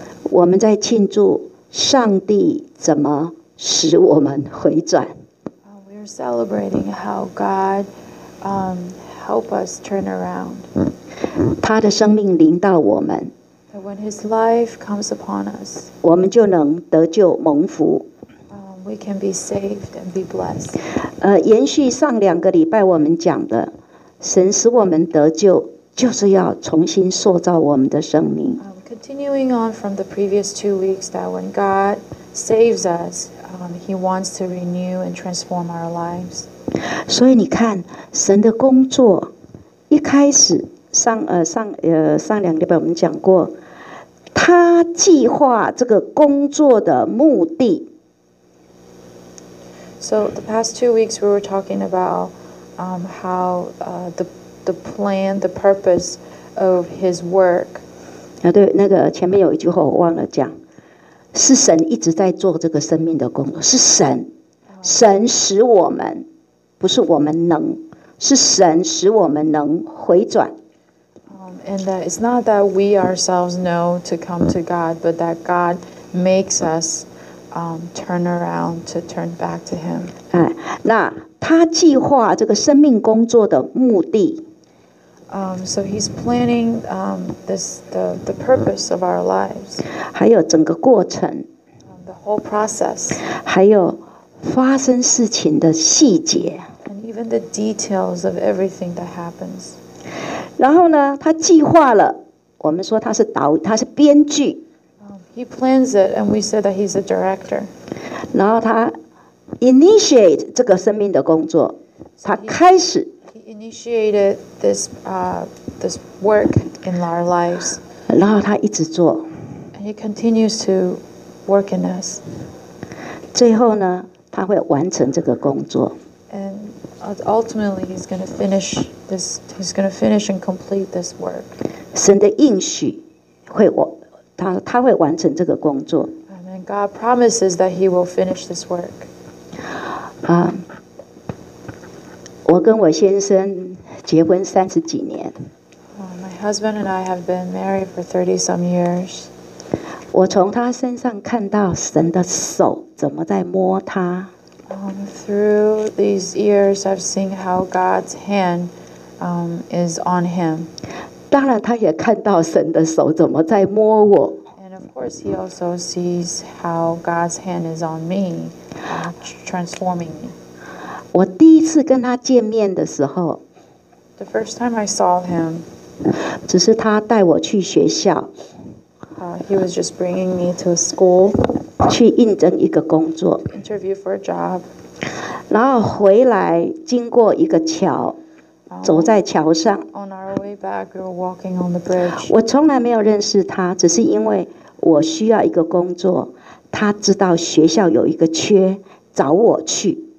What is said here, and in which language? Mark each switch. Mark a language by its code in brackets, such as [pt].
[zh] 我们在庆祝上帝怎么使我们回转。 [en] We're celebrating how God, help us turn around. [zh] 他的生命临到我们。 [en] When His life comes upon us, [zh] 我们就能得救蒙福。 [en] We can be saved and be blessed. [zh] 延续上两个礼拜我们讲的，神使我们得救，就是要重新塑造我们的生命。 [en] Continuing on from the previous 2 weeks, that when God saves us, He wants to renew and transform our lives. [zh] 所以你看，神的工作一开始上两个礼拜我们讲过，他计划这个工作的目的。 [en] So the past 2 weeks we were talking about, how, the plan, the purpose of His work. [zh] 对，那个前面有一句话我忘了讲，是神一直在做这个生命的工作，是神，神使我们，不是我们能，是神使我们能回转。 [en] And that it's not that we ourselves know to come to God, but that God makes us, turn around to turn back to Him. [zh] 那他计划这个生命工作的目的。 [en] So He's planning, this the purpose of our lives. [zh] 还有整个过程。 [en] The whole process. [zh] 还有发生事情的细节。 [en] And even the details of everything that happens. [zh] 然后呢，他计划了。我们说他是导，他是编剧。 [en] He plans it, and we said that he's a director. [zh] 然后他 initiate 这个生命的工作，他开始。 [en] He initiated this, this work in our lives. [zh] 然后他一直做。 [en] And he continues to work in us. [zh] 最后呢，他会完成这个工作。 [en] And ultimately, he's going to finish this. He's going to finish and complete this work. [zh] 神的应许会他会完成这个工作。 [en] And God promises that He will finish this work. [zh] 我跟我先生结婚三十几年。 [en] My husband and I have been married for 30 some years. [zh] 我从他身上看到神的手怎么在摸他。 [en] Through these years, I've seen how God's hand, is on him. [zh] 当然，他也看到神的手怎么在摸我。 [en] And of course, he also sees how God's hand is on me, transforming me. [zh] 我第一次跟他见面的时候 [en] ，The first time I saw him, [zh] 只是他带我去学校。 [en] He was just bringing me to a school. [zh] 去应征一个工作。 [en] Interview for a job. [zh] 然后回来经过一个桥，走在桥上。 [en] On our way back, we were walking on the bridge. [zh] 我从来没有认识他，只是因为我需要一个工作，他知道学校有一个缺，找我去。